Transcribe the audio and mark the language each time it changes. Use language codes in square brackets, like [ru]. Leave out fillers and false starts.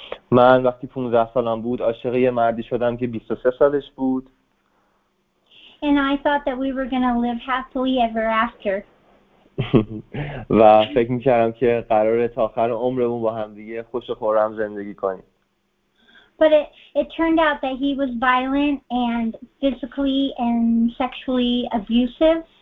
[fa] من وقتی 15 سالم بود عاشق یه مردی شدم که 23 سالش بود. [en] And I thought that we were going to live happily ever after. [fa] و فکر می‌کردم که قراره تا آخر عمرمون با هم دیگه خوش و خرم زندگی کنیم. [en] But it turned out that he was violent and physically and sexually abusive.